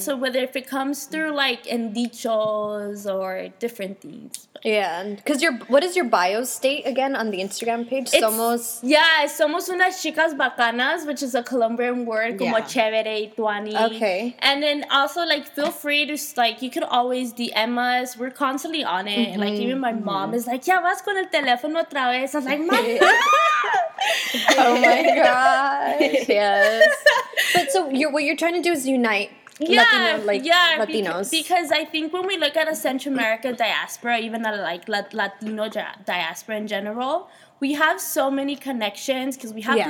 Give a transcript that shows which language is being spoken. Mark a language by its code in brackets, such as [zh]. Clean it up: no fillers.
[en] So whether if it comes through, like, [es] en dichos [en] or different things. But. Yeah, because what is your bio state again on the Instagram page? It's, somos. Yeah, [es] somos unas chicas bacanas, [en] which is a Colombian word, yeah, [es] como chévere, tuani. [en] Okay. And then also, like, feel free to, like, you could always DM us. We're constantly on it. Mm-hmm. Like, even my mom, mm-hmm, is like, [es] ya vas con el teléfono otra vez. [en] I'm like, mamá. Oh my gosh. Yes. But so what you're trying to do is unite, yeah, Latino, like, yeah, Latinos. Because I think when we look at a Central America diaspora, even a, like, Latino diaspora in general, we have so many connections because we have, yeah,